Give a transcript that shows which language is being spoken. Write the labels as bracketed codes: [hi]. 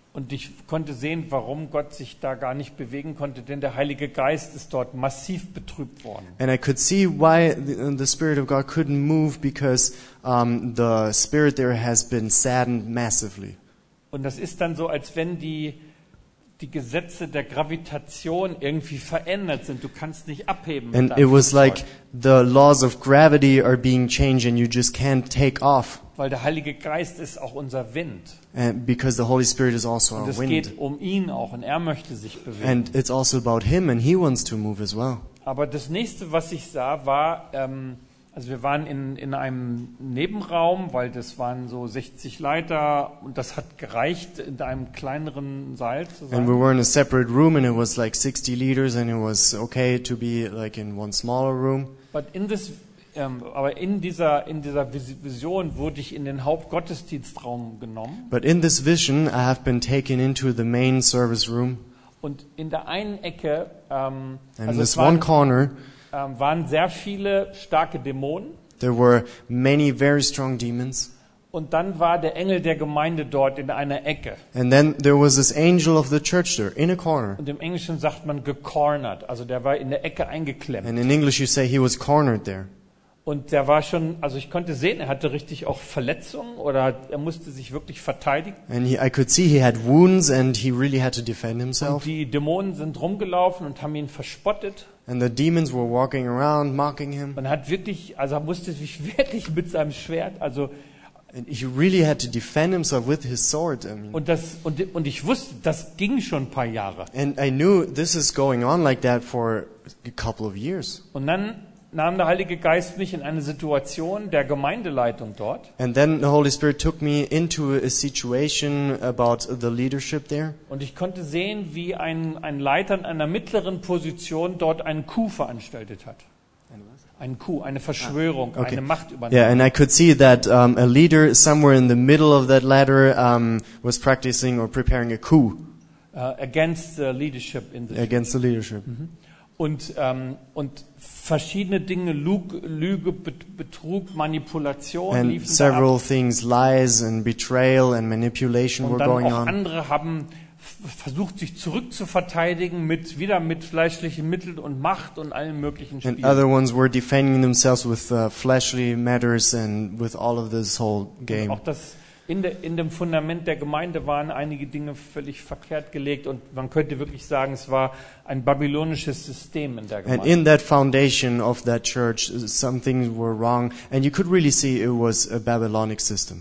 [de] Und ich konnte sehen, warum Gott sich da gar nicht bewegen konnte, denn der Heilige Geist ist dort massiv betrübt worden. [en] And I could see why the Spirit of God couldn't move, because the Spirit there has been saddened massively. [de] Und das ist dann so, als wenn die Gesetze der Gravitation irgendwie verändert sind. Du kannst nicht abheben. [en] And it was like the laws of gravity are being changed and you just can't take off. [de] weil der Heilige Geist ist auch unser Wind. [en] And because the Holy Spirit is also our wind. [de] Und es geht um ihn auch und er möchte sich bewegen. [en] And it's also about him and he wants to move as well. [de] Aber das nächste, was ich sah, war, also wir waren in einem Nebenraum, weil das waren so 60 Leiter und das hat gereicht in einem kleineren Saal zu sein. [en] And we were in a separate room and it was like 60 liters and it was okay to be like in one smaller room. But in this [de] aber in dieser Vision wurde ich in den Hauptgottesdienstraum genommen. [en] But in this vision I have been taken into the main service room. [de] Und in der einen Ecke [en] and also this one corner [de] waren sehr viele starke Dämonen. [en] There were many very strong demons. [de] Und dann war der Engel der Gemeinde dort in einer Ecke. [en] And then there was this angel of the church there in a corner. [de] Und im Englischen sagt man gecornered, also der war in der Ecke eingeklemmt. [en] And in English you say he was cornered there. [de] Und der war schon, also ich konnte sehen, er hatte richtig auch Verletzungen oder er musste sich wirklich verteidigen. [en] And I could see he had wounds and he really had to defend himself. [de] Und die Dämonen sind rumgelaufen und haben ihn verspottet. [en] And the demons were walking around mocking him. [de] Man hat wirklich, also er musste sich wirklich mit seinem Schwert, also [en] and he really had to defend himself with his sword. I mean, [de] und ich wusste, das ging schon ein paar Jahre. [en] And I knew this is going on like that for a couple of years. [de] Und dann nahm der Heilige Geist mich in eine Situation der Gemeindeleitung dort. [en] And then the Holy Spirit took me into a situation about the leadership there. [de] Und ich konnte sehen, wie ein Leiter in einer mittleren Position dort einen Coup veranstaltet hat. Ein Coup, eine Verschwörung, okay. Eine Machtübernahme. [en] Yeah, and I could see that a leader somewhere in the middle of that ladder was practicing or preparing a coup against the leadership in the against the leadership. Mm-hmm. [de] Und verschiedene Dinge, Lüge, Betrug, Manipulation [en] and [de] liefen [en] several [de] da ab. [en] Things, lies and betrayal and manipulation [de] und [en] were going on. [de] Und dann auch andere haben versucht, sich zurückzuverteidigen mit fleischlichen Mitteln und Macht und allen möglichen Spielen. [en] And other ones were defending themselves with fleshly matters and with all of this whole game. [de] Und auch das in dem Fundament der Gemeinde waren einige Dinge völlig verkehrt gelegt und man könnte wirklich sagen, es war ein babylonisches System in der Gemeinde. [en] And in that foundation of that church, some things were wrong and you could really see it was a Babylonic system.